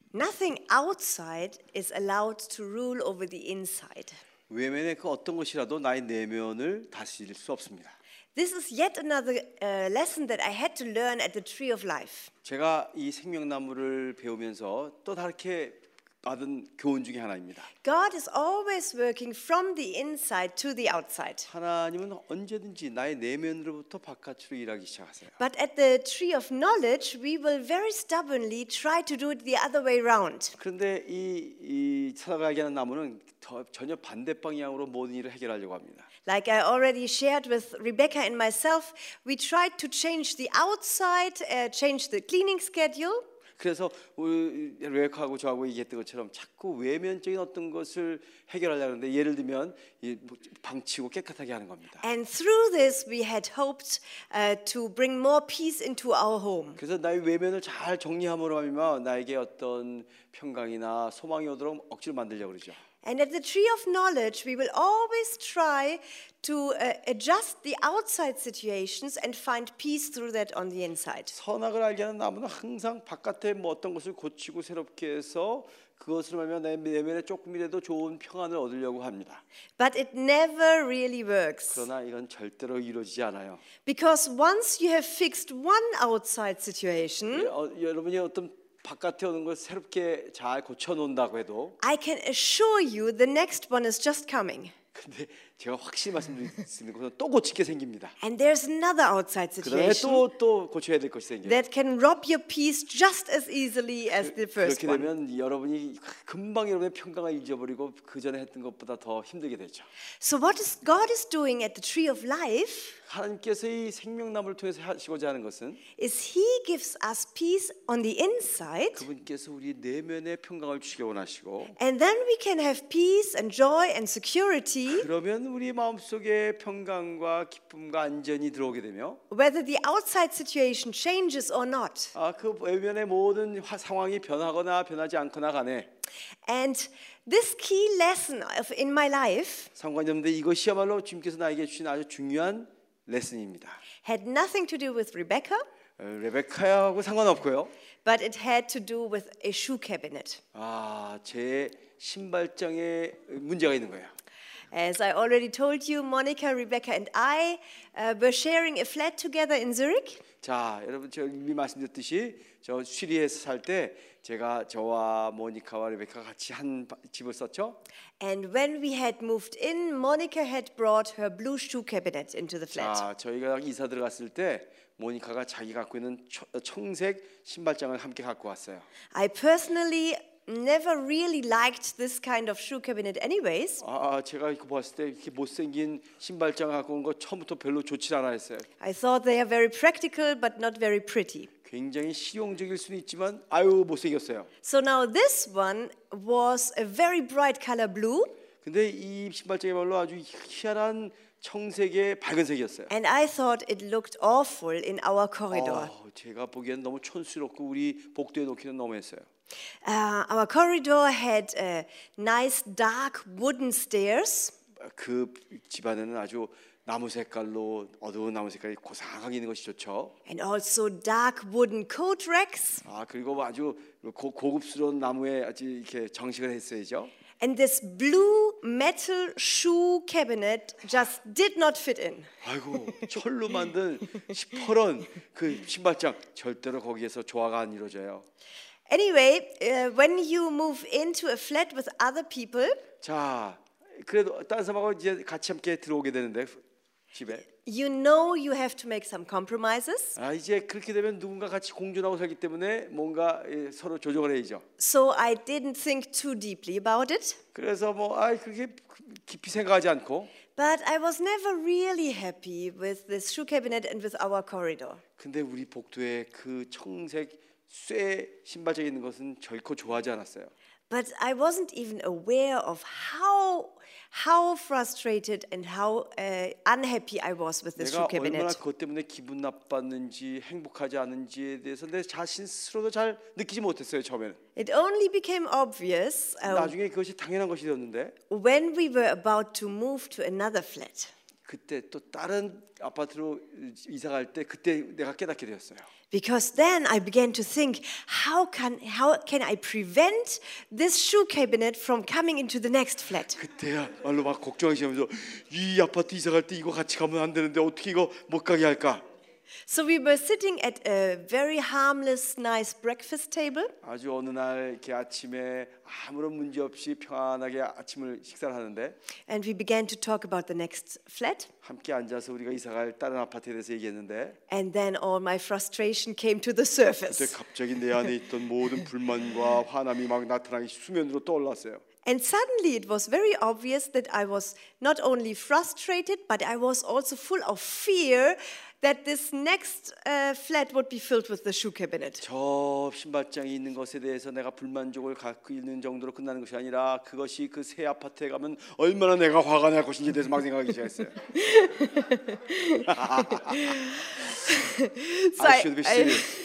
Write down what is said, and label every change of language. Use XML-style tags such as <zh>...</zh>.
<en>Nothing outside is allowed to rule over the inside.</en> <ko>외면의 그 어떤 것이라도 나의 내면을 다스릴 수 없습니다.</ko> <en>This is yet another lesson that I had to learn at the Tree of Life.</en> <ko>제가 이 생명나무를 배우면서 또 다르게 받은 교훈 중에 하나입니다.</ko> <en>God is always working from the inside to the outside.</en> <ko>하나님은 언제든지 나의 내면으로부터 바깥으로 일하기 시작하세요.</ko> <en>But at the tree of knowledge, we will very stubbornly try to do it the other way round.</en> <ko>그런데 이 살아가게 하는 나무는 전혀 반대 방향으로 모든 일을 해결하려고 합니다.</ko> <en>Like I already shared with Rebecca and myself, we tried to change the outside, change the cleaning schedule.</en> <ko>그래서 레이크하고 저하고 얘기했던 것처럼 자꾸 외면적인 어떤 것을 해결하려는데 예를 들면 방치고 깨끗하게 하는 겁니다.</ko> <en>And through this, we had hoped to bring more peace into our home.</en> <ko>그래서 나의 외면을 잘 정리함으로 하면 나에게 어떤 평강이나 소망이 오도록 억지로 만들려고 그러죠.</ko> <en>And at the tree of knowledge, we will always try to adjust the outside situations and find peace through that on the inside.</en> <ko>선악을 알게 하는 나무는 항상 바깥에 뭐 어떤 것을 고치고 새롭게 해서 그것으로 말면 내 내면에 조금이라도 좋은 평안을 얻으려고 합니다.</ko> <en>But it never really works.</en> <ko>그러나 이건 절대로 이루어지지 않아요.</ko> <en>Because once you have fixed one outside situation,</en> <ko>여러분이 어떤 바깥에 오는 걸 새롭게 잘 고쳐놓는다고 해도</ko> <en>I can assure you the next one is just coming.</en> <ko>근데 제가 확실히 말씀드릴 수 있는 것은 또 고치게 생깁니다.</ko> <en>And there's another outside situation.</en> <ko>그다음에 또 고쳐야 될 것이 생겨요.</ko> <en>That can rob your peace just as easily as the first one.</en> <ko>그렇게 되면 여러분이 금방 여러분의 평강을 잊어버리고 그 전에 했던 것보다 더 힘들게 되죠.</ko> <en>So what is God is doing at the tree of life?</en> <ko>하나님께서 이 생명나무를 통해서 하시고자 하는 것은</ko> <en>is He gives us peace on the inside.</en> <ko>그분께서 우리 내면의 평강을 주시기 원하시고</ko> <en>and then we can have peace and joy and security.</en> <ko>그러면 우리 마음 속에 평강과 기쁨과 안전이 들어오게 되며</ko> <en>whether the outside situation changes or not</en> <ko>아 그 외면의 모든 상황이 변하거나 변하지 않거나 간에</ko> <en>and this key lesson of in my life</en> <ko>성관님들 이것이야말로 주님께서 나에게 주신 아주 중요한 레슨입니다.</ko> <en>had nothing to do with Rebecca</en> <ko>레베카하고 상관없고요.</ko> <en>but it had to do with a shoe cabinet</en> <ko>아 제 신발장에 문제가 있는 거예요.</ko> <en>As I already told you, Monica, Rebecca, and I were sharing a flat together in Zurich.</en> <ko>자, 여러분, 저 이미 말씀드렸듯이 저 시리에서 살 때 제가 저와 모니카와 리베카 같이 한 집을 썼죠.</ko> <en>And when we had moved in, Monica had brought her blue shoe cabinet into the flat.</en> <ko>자, 저희가 이사 들어갔을 때 모니카가 자기 갖고 있는 청색 신발장을 함께 갖고 왔어요.</ko> <en>I personally never really liked this kind of shoe cabinet anyways.</en> <ko>아, 제가 이거 봤을 때 이렇게 못생긴 신발장 갖고 온 거 처음부터 별로 좋지 않아 했어요.</ko> <en>I thought they are very practical but not very pretty.</en> <ko>굉장히 실용적일 수는 있지만 아유 못생겼어요.</ko> <en>So now this one was a very bright color blue.</en> <ko>근데 이 신발장이 말로 아주 희한한 청색의 밝은 색이었어요.</ko> <en>And I thought it looked awful in our corridor.</en> <ko>제가 보기엔 너무 촌스럽고 우리 복도에 놓기는 너무했어요.</ko> <en>Our corridor had nice dark wooden stairs.</en> <ko>그 집 안에는 아주 나무 색깔로 어두운 나무 색깔이 고상하게 있는 것이 좋죠.</ko> <en>And also dark wooden coat racks.</en> <ko>아 그리고 아주 고급스러운 나무에 아주 이렇게 장식을 했어야죠.</ko> <en>And this blue metal shoe cabinet just did not fit in.</en> <ko>아이고 철로 만든 시퍼런 그 신발장 절대로 거기에서 조화가 안 이루어져요.</ko> <en>Anyway, when you move into a flat with other people,</en> <ko>자 그래도 다른 사람하고 이제 같이 함께 들어오게 되는데 집에</ko> <en>you know you have to make some compromises.</en> <ko>아 이제 그렇게 되면 누군가 같이 공존하고 살기 때문에 뭔가 서로 조정을 해야죠.</ko> <en>So I didn't think too deeply about it.</en> <ko>그래서 뭐 아 그렇게 깊이 생각하지 않고.</ko> <en>But I was never really happy with this shoe cabinet and with our corridor.</en> <ko>근데 우리 복도에 그 청색 쇠 신발장 있는 것은 결코 좋아하지 않았어요.</ko> <en>But I wasn't even aware of how frustrated and how unhappy I was with this shoe cabinet.</en> <ko>내가 얼마나 그것 때문에 기분 나빴는지 행복하지 않은지에 대해서 내 자신 스스로도 잘 느끼지 못했어요 처음에는.</ko> <en>It only became obvious.</en> <ko>나중에 그것이 당연한 것이 되었는데.</ko> <en>When we were about to move to another flat.</en> <ko>그때 또 다른 아파트로 이사 갈 때 그때 내가 깨닫게 되었어요.</ko> <en>Because then I began to think, how can I prevent this shoe cabinet from coming into the next flat?</en> <ko>그때야 말로 막 걱정하시면서 이 아파트 이사 갈 때 이거 같이 가면 안 되는데 어떻게 이거 못 가게 할까?</ko> <en>So we were sitting at a very harmless, nice breakfast table.</en> <ko>아주 어느 날 그 아침에 아무런 문제 없이 평안하게 아침을 식사를 하는데.</ko> <en>And we began to talk about the next flat.</en> <ko>함께 앉아서 우리가 이사갈 다른 아파트에 대해서 얘기했는데.</ko> <en>And then all my frustration came to the surface.</en> <ko>그때 갑자기 내 안에 있던 모든 불만과 화남이 막 나타나기 수면으로 떠올랐어요.</ko> <en>And suddenly it was very obvious that I was not only frustrated, but I was also full of fear that this next flat would be filled with the shoe cabinet.</en> <ko>저 신발장이 있는 것에 대해서 내가 불만족을 갖고 있는 정도로 끝나는 것이 아니라 그것이 그 새 아파트에 가면 얼마나 내가 화가 날 것인지에 대해서 막 생각하기 시작했어요.</ko> <en>So I should be serious.</en>